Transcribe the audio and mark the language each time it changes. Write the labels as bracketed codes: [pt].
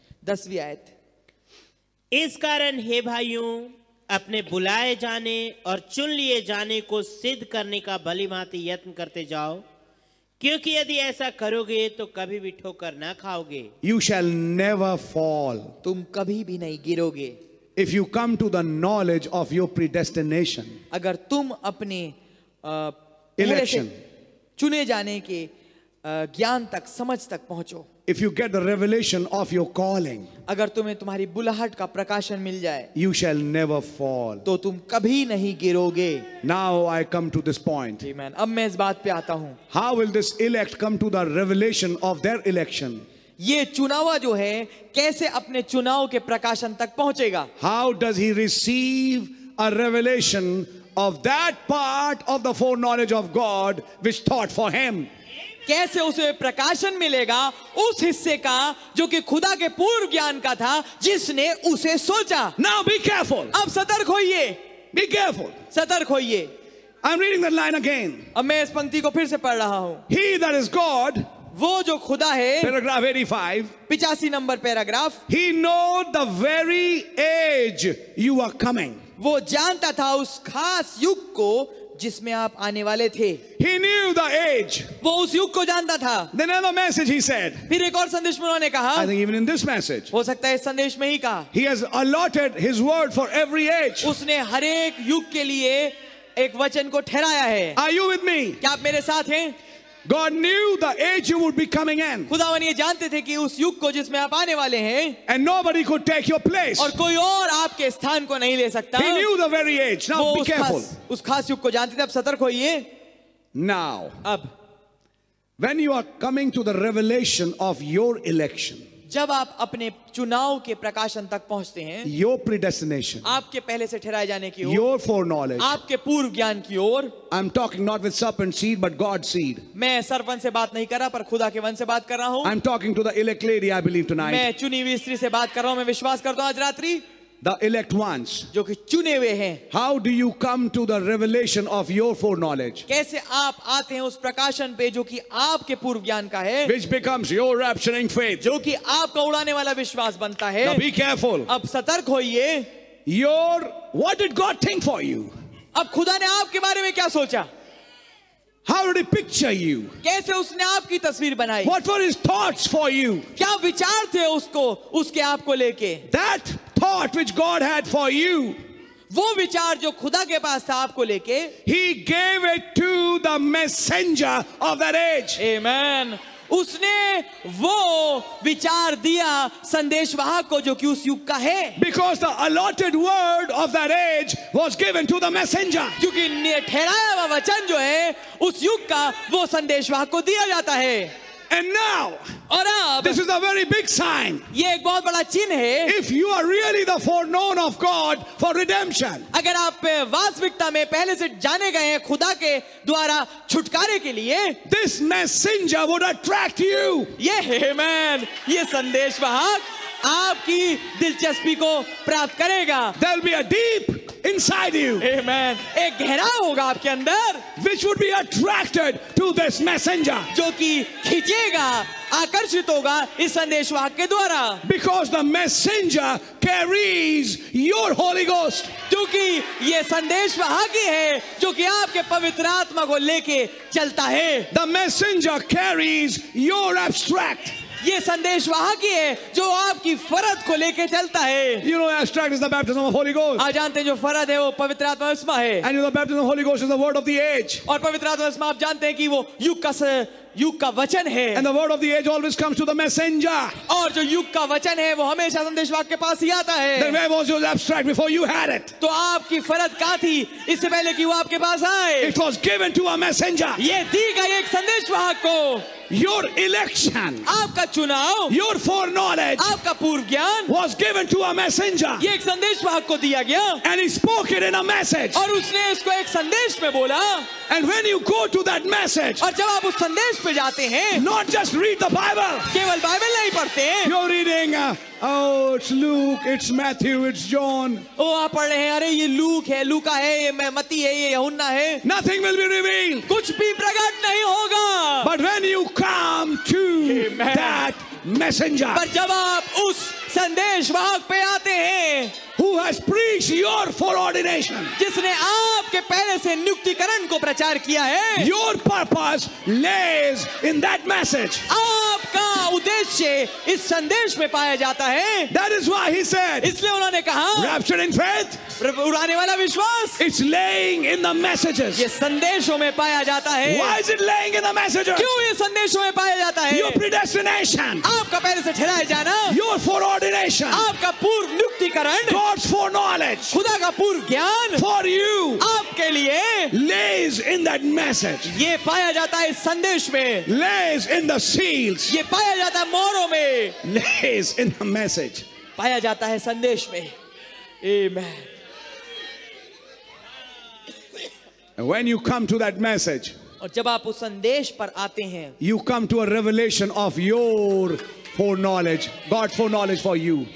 [hi] दसवीं आयत. इस कारण हे भाइयों अपने बुलाए जाने और चुन लिए जाने को सिद्ध करने का भलीभांति यत्न करते जाओ क्योंकि यदि ऐसा करोगे तो कभी भी ठोकर ना खाओगे. [en] You shall never fall. [hi] तुम कभी भी नहीं गिरोगे. [en] If you come to the knowledge of your predestination. [hi] अगर तुम अपने [en] election. [hi] चुने जाने के ज्ञान तक समझ तक पहुंचो. [en] If you get the revelation of your calling. [hi] अगर तुम्हें तुम्हारी बुलाहट का प्रकाशन मिल जाए. [en] You shall never fall. [hi] तो तुम कभी नहीं गिरोगे. [en] Now I come to this point. [hi] Amen. अब मैं इस बात पे आता हूं. [en] How will this elect come to the revelation of their election? [hi] ये चुनावा जो है कैसे अपने चुनाव के प्रकाशन तक पहुंचेगा? [en] How does he receive a revelation of that part of the foreknowledge of God which thought for him? [hi] कैसे उसे प्रकाशन मिलेगा उस हिस्से का जो कि खुदा के पूर्व ज्ञान का था जिसने उसे सोचा. [en] Now be careful. [hi] अब सतर्क होइए. [en] Be careful. [hi] सतर्क होइए. [en] I'm reading that line again. [hi] अब मैं इस पंक्ति को फिर से पढ़ रहा हूं. [en] He that is God. [hi] वो जो खुदा है. [en] Paragraph 85. [hi] 85 number paragraph. [en] He know the very age you are coming. [hi] वो जानता था उस खास युग को जिसमें आप आने वाले थे. [en] He knew the age. [hi] वो उस युग को जानता था. [en] Then another message he said. [hi] फिर एक और संदेश में उन्होंने कहा. [en] I think even in this message. [hi] हो सकता है इस संदेश में ही कहा. [en] He has allotted his word for every age. [hi] उसने हर एक युग के लिए एक वचन को ठहराया है. [en] Are you with me? [hi] क्या आप मेरे साथ हैं? [en] God knew the age you would be coming in. [hi] खुदावन ये जानते थे कि उस युग को जिसमें आप आने वाले हैं. [en] And nobody could take your place. [hi] और कोई और आपके स्थान को नहीं ले सकता. [en] He knew the very age. Now be careful. [hi] उस खास युग को जानते थे. अब सतर्क होइए. [en] Now. [hi] अब. [en] When you are coming to the revelation of your election. [hi] जब आप अपने चुनाव के प्रकाशन तक पहुंचते हैं. [en] Your predestination. [hi] आपके पहले से ठहराए जाने की ओर. [en] Your foreknowledge. [hi] आपके पूर्व ज्ञान की ओर. [en] I'm talking not with serpent seed but God's seed. [hi] मैं सर्पवंश से बात नहीं कर रहा पर खुदा के वंश से बात कर रहा हूं. [en] I'm talking to the elect lady I believe tonight. [hi] मैं चुनी हुई स्त्री से बात कर रहा हूं. मैं विश्वास करता हूं आज रात्रि. [en] The elect ones. [hi] जो कि चुने हुए हैं. [en] How do you come to the revelation of your foreknowledge? [hi] कैसे आप आते हैं उस प्रकाशन पे जो कि आपके पूर्व ज्ञान का है. [en] Which becomes your rapturing faith. [hi] जो कि आपका उड़ाने वाला विश्वास बनता है. [en] Now be careful. [hi] अब सतर्क होइए. [en] Your what did God think for you? [hi] अब खुदा ने आपके बारे में क्या सोचा? [en] How did he picture you? [hi] कैसे उसने आपकी तस्वीर बनाई? [en] What were his thoughts for you? [hi] क्या विचार थे उसको उसके आपको लेके? [en] That thought which God had for you. [hi] वो विचार जो खुदा के पास था आपको लेके. [en] He gave it to the messenger of that age. Amen. [hi] उसने वो विचार दिया संदेशवाहक को जो कि उस युग का है. [en] Because the allotted word of that age was given to the messenger. [hi] क्योंकि ठहराया हुआ वचन जो है उस युग का वो संदेशवाहक को दिया जाता है. [en] And now, [hi] और अब, [en] this is a very big sign. [hi] ये एक बहुत बड़ा चिन्ह है. [en] If you are really the foreknown of God for redemption, [hi] अगर आप वास्तविकता में पहले से जाने गए हैं खुदा के द्वारा छुटकारे के लिए, [en] this messenger would attract you. [hi] ये है मैन, ये संदेशवाहक आपकी दिलचस्पी को प्राप्त करेगा. [en] There'll be a deep inside you. [hi] Amen. एक गहरा होगा आपके अंदर. [en] Which would be attracted to this messenger. [hi] जो कि खींचेगा, आकर्षित होगा इस संदेशवाहक के द्वारा. [en] Because the messenger carries your Holy Ghost. [hi] क्योंकि ये संदेशवाहक ही है जो कि आपके पवित्र आत्मा को लेके चलता है. [en] The messenger carries your abstract. [hi] ये संदेश वहां की है जो आपकी फरद को लेके चलता है. [en] You know, abstract is the baptism of Holy Ghost. [hi] आप जानते हैं जो फरद है वो पवित्र आत्मा उसमें है. [en] And you know, the baptism of Holy Ghost is the word of the age. [hi] और पवित्र आत्मा उसमें आप जानते हैं कि वो युग का वचन है. [en] And the word of the age always comes to the messenger. [hi] और जो युग का वचन है वो हमेशा संदेशवाहक के पास ही आता है. [en] Then where was your abstract before you had it? [hi] तो आपकी फरद कहाँ थी इससे पहले कि वो आपके पास आए? [en] It was given to a messenger. [hi] ये दी गई एक संदेशवाहक को. [en] Your election, [hi] आपका चुनाव, [en] your foreknowledge, [hi] आपका पूर्व ज्ञान, [en] was given to a messenger. [hi] ये एक संदेशवाहक को दिया गया. [en] And he spoke it in a message. [hi] और उसने इसको एक संदेश में बोला. [en] And when you go to that message, [hi] और जब आप उस संदेश पे जाते हैं, [en] not just read the Bible, [hi] केवल बाइबल नहीं पढ़ते, [en] you're reading, it's Luke, it's Matthew, it's John. [hi] ओ आप पढ़ रहे हैं, अरे ये लूक है, लूका है, ये मत्ती है, ये यूहन्ना है. [en] Nothing will be revealed. [hi] कुछ भी प्रकट नहीं होगा. [en] But when you come to Amen. That messenger, [hi] पर जब आप उस संदेशवाहक पे आते हैं, [en] who has preached your foreordination, [hi] जिसने आपके पहले से नियुक्तिकरण को प्रचार किया है, [en] your purpose lays in that message, [hi] आपका उद्देश्य इस संदेश में पाया जाता है. [en] That is why he said, [hi] इसलिए उन्होंने कहा, [en] rapture in faith, [hi] उड़ाने वाला विश्वास, [en] it's laying in the messages, [hi] ये संदेशों में पाया जाता है. [en] Why is it laying in the messages? [hi] क्यों ये संदेशों में पाया जाता है? [en] Your predestination, [hi] आपका पहले से ठहराया जाना, [en] your foreordination, [hi] आपका पूर्व नियुक्तिकरण, [en] God's foreknowledge, [hi] खुदा का पूर्व ज्ञान, [en] for you, [hi] आपके लिए, [en] lays in that message, [hi] ये पाया जाता है संदेश में, [en] lays in the seals, [hi] ये पाया जाता है मोहरों में, [en] lays in the message, [hi] पाया जाता है संदेश में. Amen. [en] When you come to that message, [hi] और जब आप उस संदेश पर आते हैं, [en] you come to a revelation of your foreknowledge, God's foreknowledge for you.